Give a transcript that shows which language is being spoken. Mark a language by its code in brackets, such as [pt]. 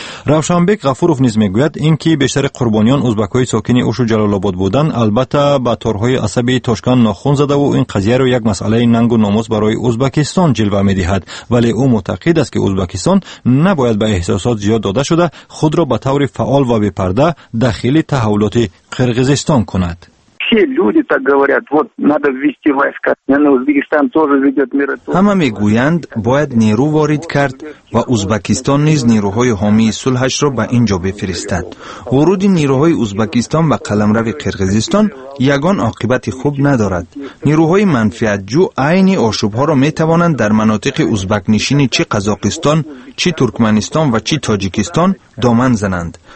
[fa] روشنبیگ غفوروف نیز میگوید اینکه بیشتر قربانیان ازبکای ساکن اوش و جلال آباد بودند البته با تورهای عصبی تاشکند ناخون زده و این قضیه را یک مسئله ننگ و ناموس برای ازبکستان جلوه میدهد، ولی او معتقد است که ازبکستان نباید به احساسات زیاد داده شده خود را به طور فعال و بی‌پرده داخل تحولات قرغیزستان کند. [ru] все люди так говорят, вот надо ввести войска. Узбекистан тоже ведет миротворчество. [tg] Хама мегуянд, бояд ниру ворид кард, ва Узбекистан низ нируҳои ҳомии сулҳашро ба инҷо бифиристад. Вуруди нируҳои Узбекистан ба қаламрави Қирғизистон ягон оқибати хуб надорад. Нируҳои манфиатҷу айни ошубҳоро метавонанд дар манотиқи узбакнишини чи Қазоқистон, чи Туркманистон ва чи Тоҷикистон доман зананд.